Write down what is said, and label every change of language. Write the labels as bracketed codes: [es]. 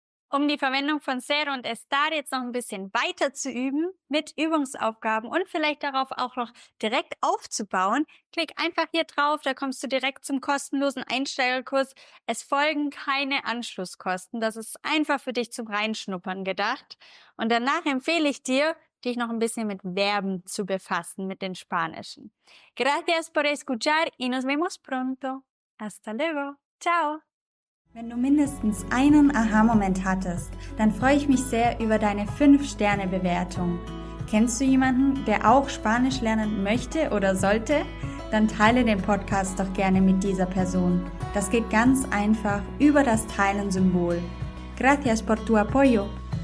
[de] Um die Verwendung von ser und estar jetzt noch ein bisschen weiter zu üben, mit Übungsaufgaben und vielleicht darauf auch noch direkt aufzubauen, klick einfach hier drauf, da kommst du direkt zum kostenlosen Einsteigerkurs. Es folgen keine Anschlusskosten, das ist einfach für dich zum Reinschnuppern gedacht. Und danach empfehle ich dir, dich noch ein bisschen mit Verben zu befassen, mit den Spanischen. [es] Gracias por escuchar y nos vemos pronto. Hasta luego. Ciao. [de] Wenn du mindestens einen Aha-Moment hattest, dann freue ich mich sehr über deine 5-Sterne-Bewertung. Kennst du jemanden, der auch Spanisch lernen möchte oder sollte? Dann teile den Podcast doch gerne mit dieser Person. Das geht ganz einfach über das Teilen-Symbol. [es] Gracias por tu apoyo.